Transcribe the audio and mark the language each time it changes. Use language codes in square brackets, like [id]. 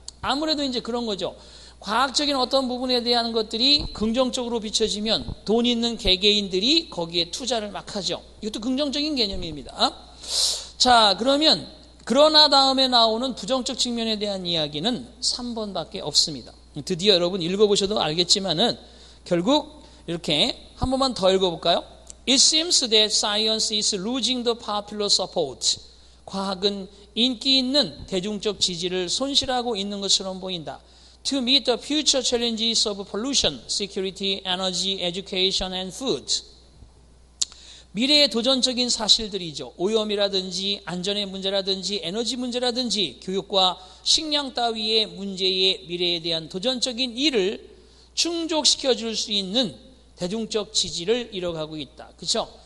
[ko] 아무래도 이제 그런 거죠. 과학적인 어떤 부분에 대한 것들이 긍정적으로 비춰지면 돈 있는 개개인들이 거기에 투자를 막 하죠. 이것도 긍정적인 개념입니다. 자, 그러면 그러나 다음에 나오는 부정적 측면에 대한 이야기는 3번밖에 없습니다. 드디어 여러분 읽어보셔도 알겠지만은 결국 이렇게 한 번만 더 읽어볼까요? [en] It seems that science is losing the popular support. [ko] 과학은 인기 있는 대중적 지지를 손실하고 있는 것처럼 보인다. [en] To meet the future challenges of pollution, security, energy, education, and food. [ko] 미래의 도전적인 사실들이죠. 오염이라든지 안전의 문제라든지 에너지 문제라든지 교육과 식량 따위의 문제의 미래에 대한 도전적인 일을 충족시켜줄 수 있는 대중적 지지를 잃어가고 있다. 그렇죠?